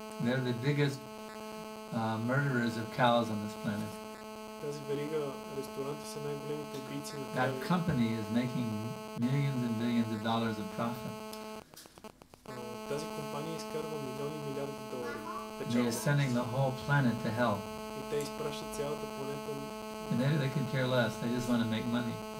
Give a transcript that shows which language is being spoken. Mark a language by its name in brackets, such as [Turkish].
[English] They're the biggest murderers of cows on this planet. [Bulgarian] Тази верига ресторанти са най-големите убийци на тази. [English] That company is making millions and billions of dollars of profit. [Bulgarian] Тази компания изкарва милиони и милиарди долари. [English] They are sending the whole planet to hell. [Bulgarian] И те изпращат цялата планета. [English] And maybe they can care less, they just want to make money.